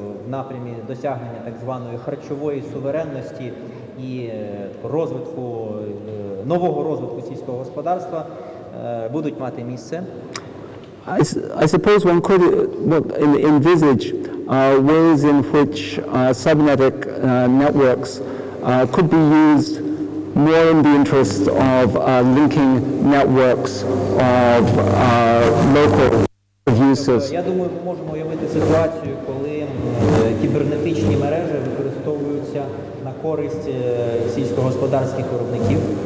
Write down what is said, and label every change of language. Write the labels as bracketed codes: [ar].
[uk] Напрямі досягнення так званої харчової суверенності і розвитку нового розвитку сільського господарства будуть мати місце. [en] I suppose one could envisage ways in which cybernetic networks could be used more in the interest of linking networks of local defenses. [uk] Я думаю, ми можемо уявити ситуацію, коли кібернетичні мережі використовуються на користь сільськогосподарських виробників.